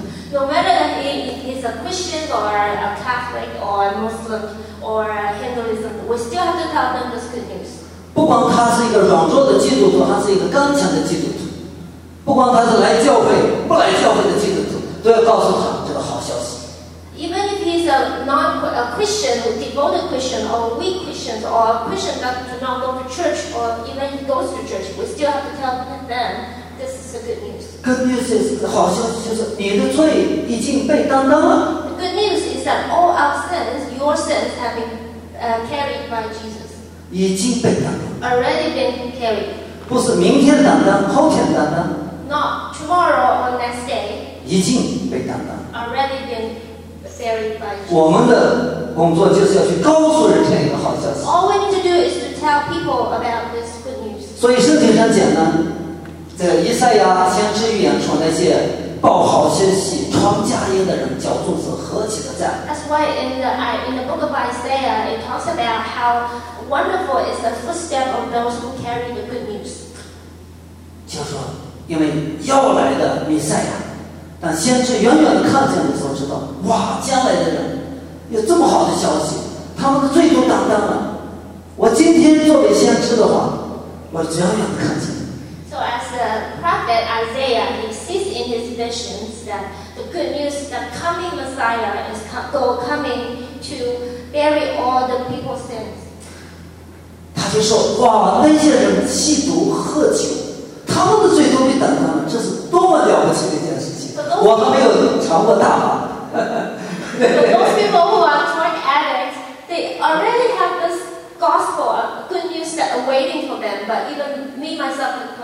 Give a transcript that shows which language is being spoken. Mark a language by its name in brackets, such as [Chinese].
[English] No matter if he's a Christian or a Catholic or a Muslim or a Hinduism, we still have to tell them this good news. [Chinese] 不管他是一个软弱的基督徒，还是一个刚强的基督徒，不管他是来教会不来教会的基督徒，都要告诉他这个好消息。 [English] Even if he's a non-Christian, devoted Christian, or weak Christians, or a Christian that does not go to church, or even he goes to church, we still have to tell them this is the good news. Good news is [Chinese] 好消息就是你的罪已经被担当了。 [English] The good news is that all our sins, your sins have been carried by Jesus. [Chinese] 已经被担当。 [English] Already been carried. [Chinese] 不是明天担当，后天担当。 [English] Not tomorrow or next day. [Chinese] 已经被担当。 [English] Already been carried by Jesus. [Chinese] 我们的工作就是要去告诉人家一个好消息。 [English] All we need to do is to tell people about this good news. [Chinese] 所以圣经上讲呢。这个以赛亚先知预言说，那些报好消息、传佳音的人，脚中是何其的赞。 [English] That's why in the book of Isaiah, it talks about how wonderful is the footstep of those who carry the good news. [Chinese] 就说，因为要来的弥赛亚，但先知远远的看见的时候，知道哇，将来的人有这么好的消息，他们的罪都担当了。我今天作为先知的话，我远远的看见。 [English] So as the prophet Isaiah, he sees in his visions that the good news, the coming Messiah is coming to bury all the people's sins. [Chinese] 他就说，哇，那些人吸毒喝酒，他们的罪都被担当了，这是多么了不起的一件事情。我还没有尝过大麻。 [English] Those people who are drug addicts, they already have this gospel, good news that are waiting for them, but even me, myself,